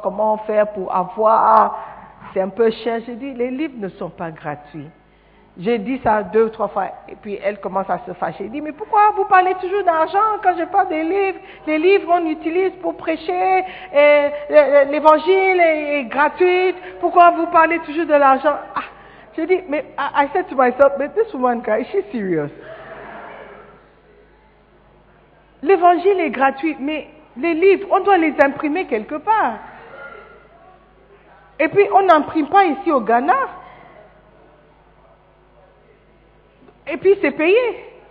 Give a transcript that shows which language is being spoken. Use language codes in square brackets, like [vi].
[fr] Comment faire pour avoir... C'est un peu cher. J'ai dit, les livres ne sont pas gratuits. J'ai dit ça deux ou trois fois, et puis elle commence à se fâcher. Elle dit, mais pourquoi vous parlez toujours d'argent quand je parle des livres? Les livres, on utilise pour prêcher, et l'évangile est gratuit. Pourquoi vous parlez toujours de l'argent? Ah, j'ai dit, mais [en] I said to myself, but this woman, is she serious? [fr] L'évangile est gratuit, mais les livres, on doit les imprimer quelque part. Et puis, on n'imprime pas ici au Ghana. Et puis c'est payé.